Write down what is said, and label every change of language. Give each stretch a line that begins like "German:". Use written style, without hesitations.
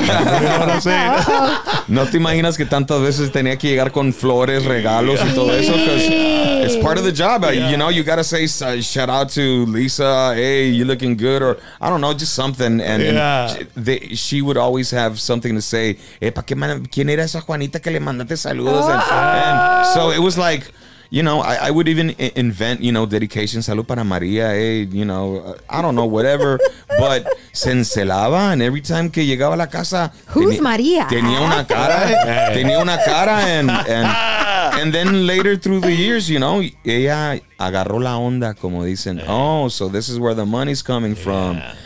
English: You know what I'm saying?
Spanish: No te imaginas que tantas veces tenía que llegar con flores, regalos y todo eso,
English: because it's part of the job. Yeah. You know, you got to say shout out to Lisa. Hey, you looking good? Or I don't know, just something. And she would always have something to say.
Spanish: Hey, ¿pa qué man, quién era esa Juanita que le mandaste saludos?
English: And so it was like, you know, I would even invent, you know, dedication,
Spanish: salud para María,
English: hey, you know, I don't know, whatever, but
Spanish: se encelaba,
English: and every time
Spanish: que llegaba a la casa,
English: who's María?
Spanish: Tenía una cara,
English: and then later through the years, you know,
Spanish: ella agarró la onda, como dicen,
English: oh, so this is where the money's coming from.